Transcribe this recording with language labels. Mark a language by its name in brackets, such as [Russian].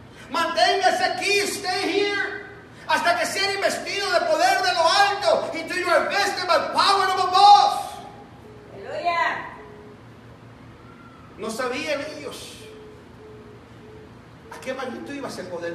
[Spanish] Manténgase aquí, [English] stay here, [Spanish] hasta que sea investido de poder de lo alto. [English] Y do your best by the power of above. [Spanish] Aleluya. No sabían ellos a qué magnitud iba a ser poder.